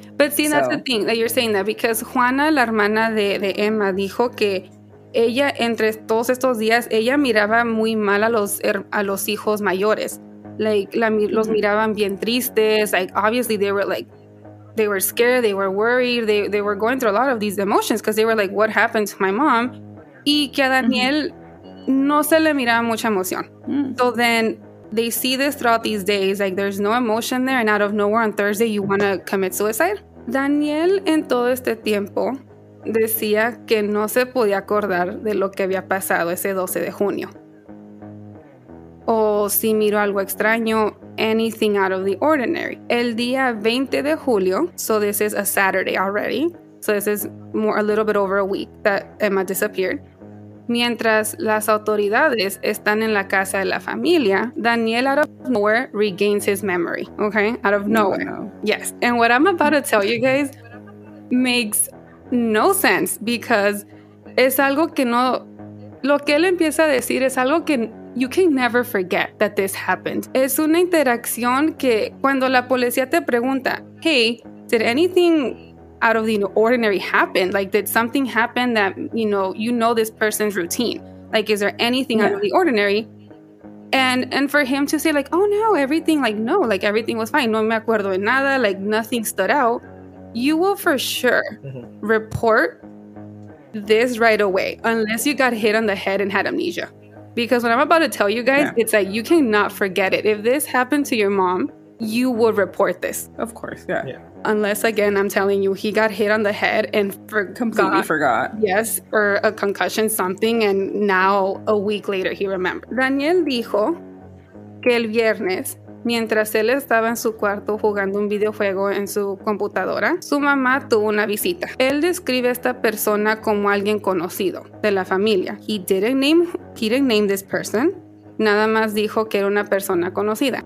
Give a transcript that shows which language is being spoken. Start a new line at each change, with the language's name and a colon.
English: But see, that's the thing that you're saying that because
Spanish: Juana, la hermana de Emma, dijo que ella, entre todos estos días, ella miraba muy mal a los hijos mayores. Like, los miraban bien tristes.
English: Like, obviously, they were scared, they were worried, they were going through a lot of these emotions because they were like, what happened to my mom?
Spanish: Y que a Daniel no se le miraba mucha emoción.
English: So then they see this throughout these days, like, there's no emotion there, and out of nowhere on Thursday, you want to commit suicide?
Spanish: Daniel, en todo este tiempo, decía que no se podía acordar de lo que había pasado ese 12 de junio. O si miró algo extraño,
English: anything out of the ordinary.
Spanish: El día 20 de julio,
English: so this is a Saturday already, so this is a little bit over a week that Emma disappeared.
Spanish: Mientras las autoridades están en la casa de la familia,
English: Daniel out of nowhere regains his memory, okay? Out of nowhere. Yes. And what I'm about to tell you guys makes no sense because
Spanish: es algo que no... Lo que él empieza a decir es algo que...
English: You can never forget that this happened.
Spanish: Es una interacción que cuando la policía te pregunta,
English: hey, did anything out of the ordinary happen? Like, did something happen that, you know this person's routine? Like, is there anything out of the ordinary? And for him to say, like, oh, no, everything, like, no, like, everything was fine.
Spanish: No me acuerdo de nada.
English: Like, nothing stood out. You will for sure report this right away unless you got hit on the head and had amnesia. Because what I'm about to tell you guys, it's like you cannot forget it. If this happened to your mom, you would report this. Of course, yeah. Unless, again, I'm telling you, he got hit on the head and completely forgot. Yes, or a concussion, something, and now, a week later, he remembered.
Spanish: Daniel dijo que el viernes, mientras él estaba en su cuarto jugando un videojuego en su computadora, su mamá tuvo una visita. Él describe a esta persona como alguien conocido de la familia.
English: He didn't name this person.
Spanish: Nada más dijo que era una persona conocida.